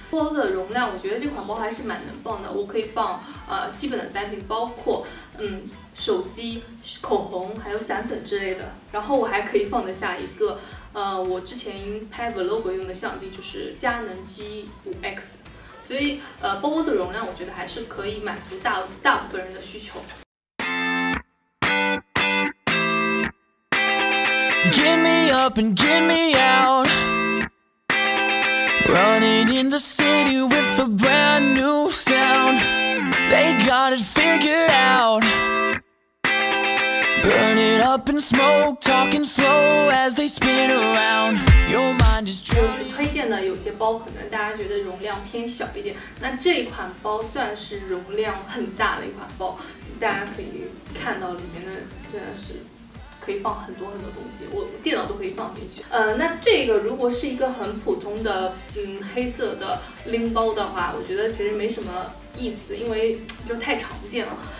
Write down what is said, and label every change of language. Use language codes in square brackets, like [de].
[zh] 包的容量我觉得这款包还是蛮能放的，我可以放基本的单品，包括手机、口红还有散粉之类的，然后我还可以放得下一个我之前拍 vlog 用的相机，就是佳能 G5X，所以包包的容量我觉得还是可以满足大部分人的需求。 [en] Get me up and get me out, running in the city with a brand new sound, they got it figured out, burn it up in smoke, talking slow as they spin around. [zh] 就是推荐的有些包可能大家觉得容量偏小一点，那这一款包算是容量很大的一款包，大家可以看到里面的真的是可以放很多很多东西，我电脑都可以放进去。那这个如果是一个很普通的黑色的拎包的话，我觉得其实没什么意思，因为就太常见了。